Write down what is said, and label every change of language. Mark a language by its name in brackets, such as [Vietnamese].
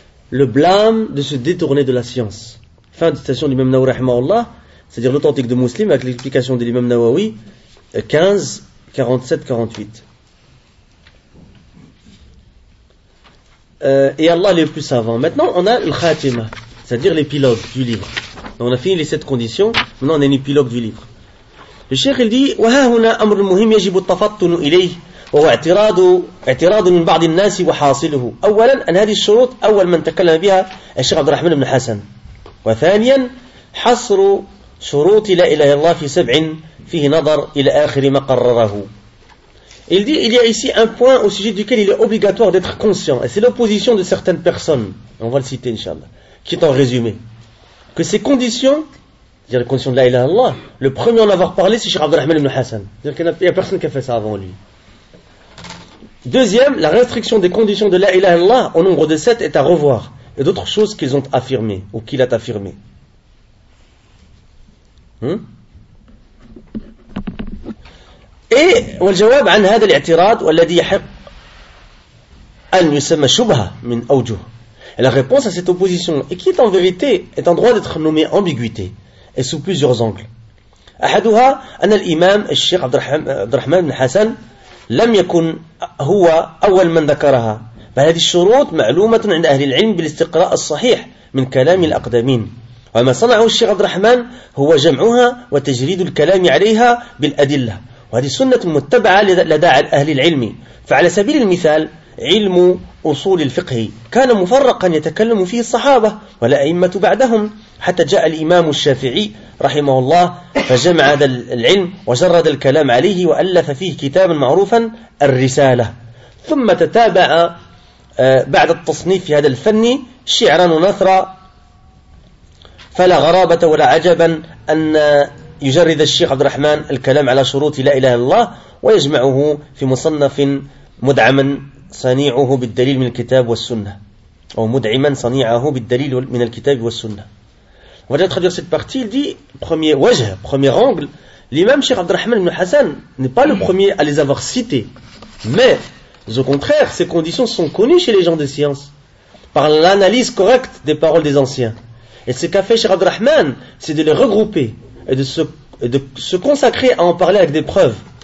[French] Le blâme de se détourner de la science. Fin de citation de l'imam Nawawi rahimahullah, c'est-à-dire l'authentique de Muslim avec l'explication de l'imam Nawawi, 15, 47, 48. Et Allah est le plus savant. Maintenant, on a le khatima, c'est-à-dire l'épilogue du livre. Donc, on a fini les sept conditions, maintenant on a l'épilogue du livre. Le cheikh il dit « [Arabic] Wa hauna amr muhim yajibu tafattunu ilayh » وهو اعتراض من بعض الناس وحاصله أولا أن هذه الشروط أول من تكلم بها الشيخ عبد الرحمن بن حسن، وثانيا حصر شروط لا إله إلا الله في سبع فيه نظر إلى آخر ما قرره. [French] Il dit, il y a ici un point au sujet duquel il est obligatoire d'être conscient. Et c'est l'opposition de certaines personnes, on va le citer Inch'Allah, qui est en résumé. Que ces conditions, c'est-à-dire les conditions de la ilaha Allah, le premier à en avoir parlé, c'est Cheikh Abdelrahman ibn Hassan. C'est-à-dire qu'il n'y a personne qui a fait ça avant lui. Deuxième, la restriction des conditions de la ilaha Allah au nombre de sept est à revoir. Et d'autres choses qu'ils ont affirmées, ou qu'il a affirmées. [Arabic] Et والجواب عن هذا الاعتراض والذي يحق ان يسمى شبهه من اوجه. [French] La réponse à cette opposition et qui est en vérité est en droit d'être nommée ambiguïté et sous plusieurs angles. [Arabic] احدها ان الامام الشيخ عبد الرحمن بن حسن لم يكن هو اول من ذكرها. فهذه الشروط معلومه عند اهل العلم بالاستقراء الصحيح من كلام الاقدمين. وما صنعه الشيخ عبد الرحمن هو جمعها وتجريد الكلام عليها بالادله. وهذه سنة متبعة لدى أهل العلم. فعلى سبيل المثال علم أصول الفقه كان مفرقا يتكلم فيه الصحابة ولا أئمة بعدهم حتى جاء الإمام الشافعي رحمه الله فجمع هذا العلم وجرد الكلام عليه وألف فيه كتابا معروفا الرسالة. ثم تتابع بعد التصنيف في هذا الفن شعرا ونثرا. فلا غرابة ولا عجبا أن يجرد الشيخ عبد الرحمن الكلام على شروط لا إله إلا الله ويجمعه في مصنف مدعما صنيعه بالدليل من الكتاب والسنة أو مدعما صنيعه بالدليل من الكتاب والسنة. وجد تخدير [French] cette partie il dit premier وجه premier angle l'imam Cheikh عبد الرحمن بن حسن n'est pas le premier à les avoir cités, mais au contraire ces conditions sont connues chez les gens de science par l'analyse correcte des paroles des anciens. Et ce qu'a fait Cheikh عبد الرحمن c'est de les regrouper et de se consacrer à en parler avec des preuves.